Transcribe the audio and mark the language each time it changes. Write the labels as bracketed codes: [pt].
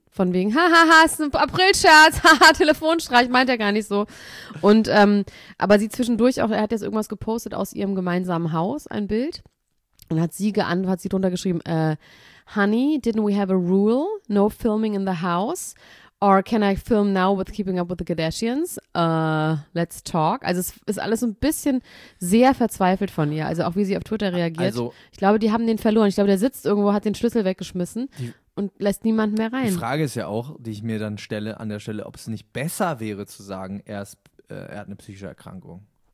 [de] Von wegen, hahaha, ist ein April-Scherz, haha, Telefonstreich, meint er gar nicht so. Und aber sie zwischendurch auch, er hat jetzt irgendwas gepostet aus ihrem gemeinsamen Haus, ein Bild. Und hat sie geantwortet, hat sie drunter geschrieben, [en] Honey, didn't we have a rule? No filming in the house? Or can I film now with Keeping Up with the Kardashians? Let's talk. [de] Also es ist alles ein bisschen sehr verzweifelt von ihr. Also auch wie sie auf Twitter reagiert. Also, ich glaube, die haben den verloren. Ich glaube, der sitzt irgendwo, hat den Schlüssel weggeschmissen. Und lässt niemanden mehr rein. Die Frage ist ja auch, die ich mir dann stelle, an der Stelle, ob es nicht besser wäre zu sagen, er hat eine psychische Erkrankung.